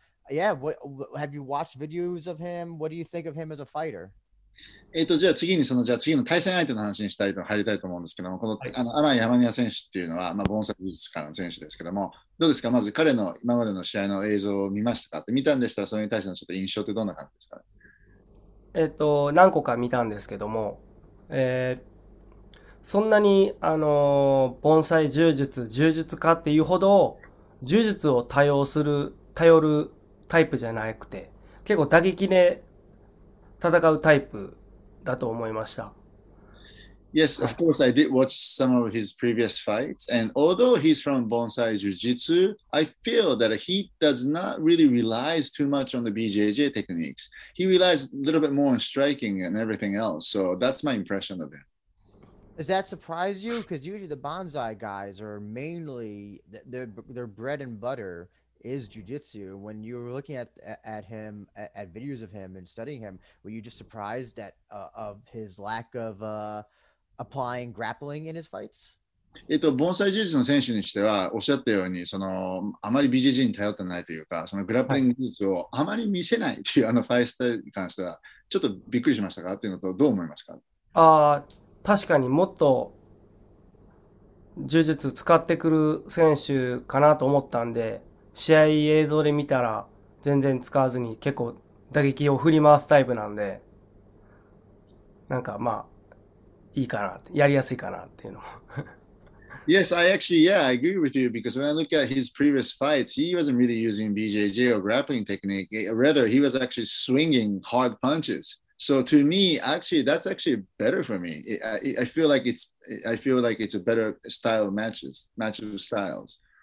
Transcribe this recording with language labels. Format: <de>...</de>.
<en>Yeah, what have you watched videos of him? What do you think of him as a fighter?</en> <ja>じゃあ次にその、じゃあ次の対戦相手の話にしたいと入りたいと思うんですけども、この、アマン・ヤマニア選手っていうのは、まあ、盆栽美術館の選手ですけども、どうですか、まず彼の今までの試合の映像を見ましたかって、見たんでしたら、それに対してのちょっと印象ってどんな感じですかね。何個か見たんですけども、そんなに、盆栽柔術家っていうほど、柔術を頼るタイプじゃなくて、結構打撃で戦うタイプだと思いました。</ja> <en>Yes, of course, I did watch some of his previous fights. And although he's from Bonsai Jiu-Jitsu, I feel that he does not really rely too much on the BJJ techniques. He relies a little bit more on striking and everything else. So that's my impression of him. Does that surprise you? Because usually the Banzai guys are mainly their bread and butter is jiu-jitsu. When you're looking at him at videos of him and studying him, were you just surprised at of his lack of applying grappling in his fights?</en> <ja>盆栽柔術の選手にしては、おっしゃったように、そのあまり BJJ に頼ってないというか、そのグラップリング技術をあまり見せないというあのファイスタイルに関しては、ちょっとびっくりしましたかというのと、どう思いますか。確かにもっと柔術使ってくる選手かなと思ったんで、試合映像で見たら全然使わずに結構打撃を振り回すタイプなんで、なんかまあいいかなって、やりやすいかなっていうのも。</ja> <en>Yes, I agree with you because when I look at his previous fights, he wasn't really using BJJ or grappling technique. Rather, he was actually swinging hard punches. So to me, actually, that's actually better for me. I feel like it's a better style of match of styles.</en>